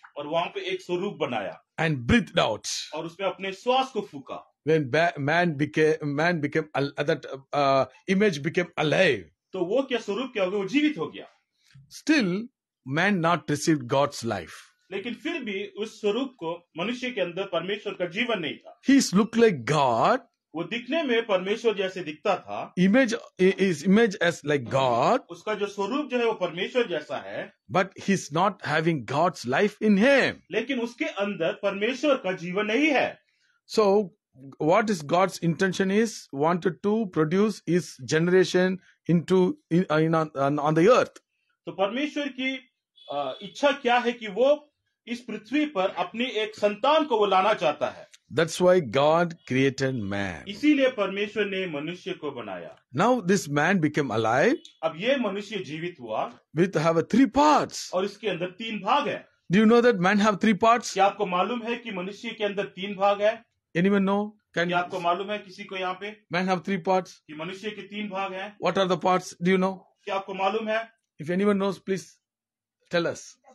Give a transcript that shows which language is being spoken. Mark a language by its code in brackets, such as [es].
[hi] और वहाँ पे एक स्वरूप बनाया. [en] And breathed out. [hi] और उसमें अपने श्वास को फूका. [en] When image became alive. [hi] तो वो क्या स्वरूप क्या हो गया? वो जीवित हो गया. [en] Still man not received God's life. [hi] लेकिन फिर भी उस स्वरूप को मनुष्य के अंदर परमेश्वर का जीवन नहीं था. [en] He looked like God. [hi] वो दिखने में परमेश्वर जैसे दिखता था. [en] Image as like God. [hi] उसका जो स्वरूप जो है वो परमेश्वर जैसा है. [en] But he is not having God's life in him. [hi] लेकिन उसके अंदर परमेश्वर का जीवन नहीं है. [en] So what is God's intention is wanted to produce his generation into on the earth. [hi] तो परमेश्वर की इच्छा क्या है कि वो इस पृथ्वी पर अपनी एक संतान को वो लाना चाहता है. [en] That's why God created man. [hi] इसीलिए परमेश्वर ने मनुष्य को बनाया. [en] Now this man became alive. [hi] अब ये मनुष्य जीवित हुआ. [en] With have three parts. [hi] और इसके अंदर तीन भाग है. [en] Do you know that man have three parts? [hi] क्या आपको मालूम है कि मनुष्य के अंदर तीन भाग है? [en] Anyone know? [hi] Can क्या आपको मालूम है किसी को यहाँ पे? [en] Man have three parts. [hi] कि मनुष्य के तीन भाग है. [en] What are the parts? Do you know? [hi] क्या आपको मालूम है? [en] If anyone knows, please tell us.